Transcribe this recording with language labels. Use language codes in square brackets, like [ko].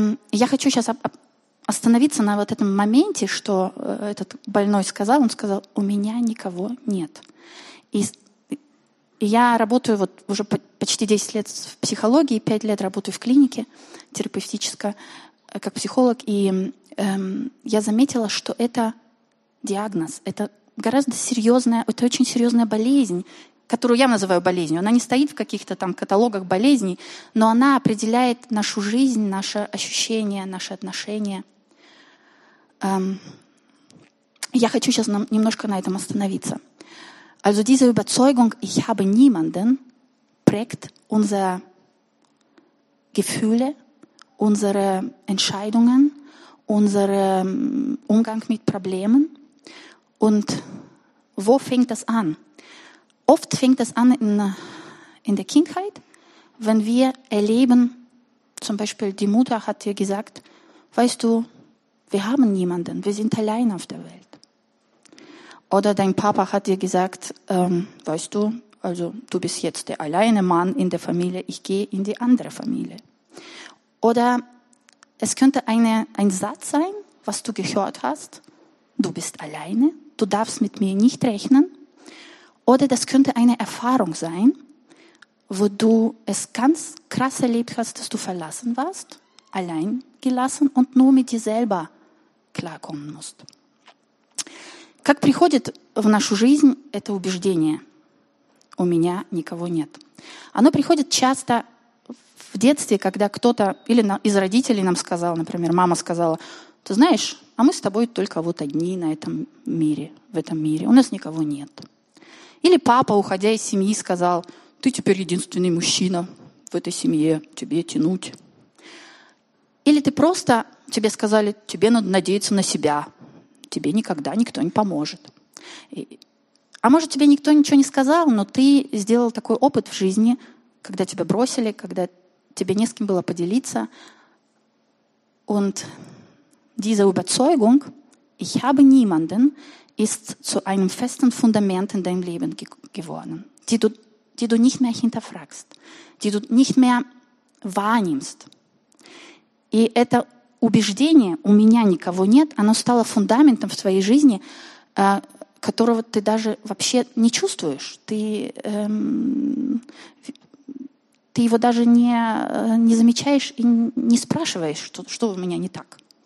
[ru] Я хочу сейчас остановиться на вот этом моменте, что этот больной сказал. Он сказал: «У меня никого нет». И я работаю вот уже почти 10 лет в психологии, 5 лет работаю в клинике терапевтической, как психолог. И я заметила, что это диагноз, это гораздо серьезная, это очень серьезная болезнь, которую я называю болезнью. Она не стоит в каких-то там каталогах болезней, но она определяет нашу жизнь, наши ощущения, наши отношения. Я хочу сейчас немножко на этом остановиться. [de] Also diese Überzeugung, ich habe niemanden, prägt unsere Gefühle, unsere Entscheidungen, unseren Umgang mit Problemen. Und wo fängt das an? Oft fängt das an in der Kindheit, wenn wir erleben, zum Beispiel die Mutter hat dir gesagt, weißt du, wir haben niemanden, wir sind allein auf der Welt. Oder dein Papa hat dir gesagt, weißt du, also du bist jetzt der alleine Mann in der Familie, ich gehe in die andere Familie. Oder es könnte ein Satz sein, was du gehört hast, du bist alleine, du darfst mit mir nicht rechnen. Oder das könnte eine Erfahrung sein, wo du es ganz krass erlebt hast, dass du verlassen warst, allein gelassen und nur mit dir selber klarkommen musst. [ru] Как приходит в нашу жизнь это убеждение «У меня никого нет»? Оно приходит часто в детстве, когда кто-то или из родителей нам сказал, например, мама сказала: «Ты знаешь, а мы с тобой только вот одни на этом мире, в этом мире, у нас никого нет». Или папа, уходя из семьи, сказал: «Ты теперь единственный мужчина в этой семье, тебе тянуть». Или ты просто, тебе сказали: «Тебе надо надеяться на себя, тебе никогда никто не поможет». А может, тебе никто ничего не сказал, но ты сделал такой опыт в жизни, когда тебя бросили, когда тебе не с кем было поделиться. [de] Und diese Überzeugung, ich habe niemanden, ist zu einem festen Fundament in deinem Leben geworden, die du nicht mehr hinterfragst, die du nicht mehr wahrnimmst. [ru] И это убеждение «у меня никого нет», оно стало фундаментом в твоей жизни, которого ты даже вообще не чувствуешь. Ты его даже не замечаешь и не спрашиваешь, что у меня не так.